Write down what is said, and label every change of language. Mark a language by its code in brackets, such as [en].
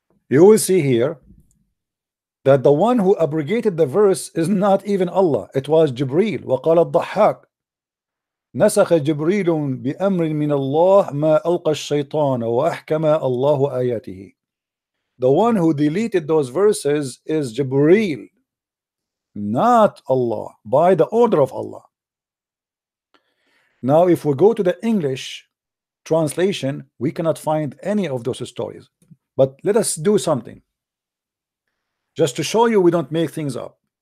[en] You will see here that the one who abrogated the verse is not even Allah. It was Jibreel. [ar] وقال الضحاك نسخ جبريل بأمر من الله ما ألقى الشيطان وأحكم الله آياته. [en] The one who deleted those verses is Jibreel, not Allah, by the order of Allah. Now, if we go to the English translation, we cannot find any of those stories. But let us do something. Just to show you we don't make things up.